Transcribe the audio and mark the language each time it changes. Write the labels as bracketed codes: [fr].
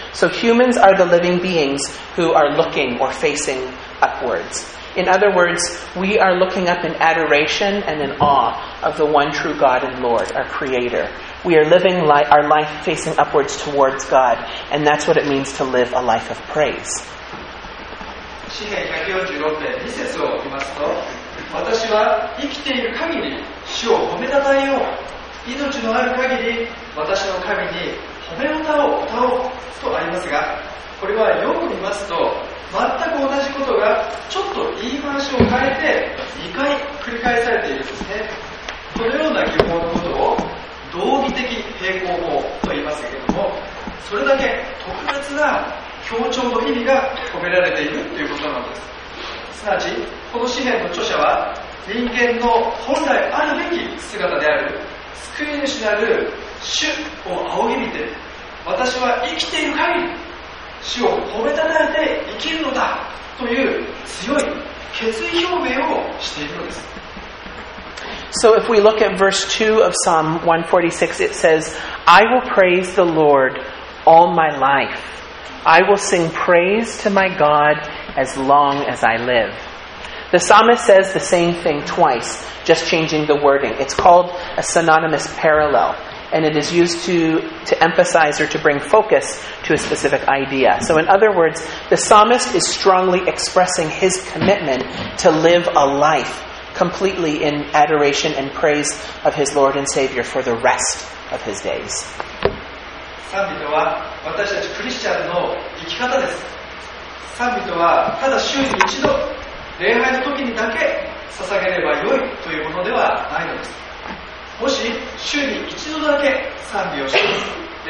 [en] So humans are the living beings who are looking or facing upwards. In other words, we are looking up in adoration and in awe of the one true God and Lord, our Creator. We are living our life facing upwards towards God, and that's what it means to live a life of praise. [ja] 詩篇146編2節を見ますと、私は生きている限り主を褒めたたえよう、命のある限り私の神に褒め歌おうとありますが、これはよく見ますと全く同じことがちょっと言い回しを変えて2回繰り返されているんですね。このような疑問のことを道義的平行法と言いますけれども、それだけ特別な強調の意味が込められているということなんです。すなわちこの詩篇の著者は人間の本来あるべき姿である救い主である主を仰ぎ見て、私は生きている限り主を褒めたたえて生きるのだという強い決意表明をしているのです。 [en] So if we look at verse 2 of Psalm 146, it says, I will praise the Lord all my life. I will sing praise to my God as long as I live. The psalmist says the same thing twice, just changing the wording. It's called a synonymous parallel, and it is used to emphasize or to bring focus to a specific idea. So in other words, the psalmist is strongly expressing his commitment to live a life completely in adoration and praise of his Lord and Savior for the rest of his days. [ja] 賛美とは私たちクリスチャンの生き方です。賛美とはただ週に一度礼拝の時にだけ捧げればよいというものではないのです。もし週に一度だけ賛美をします。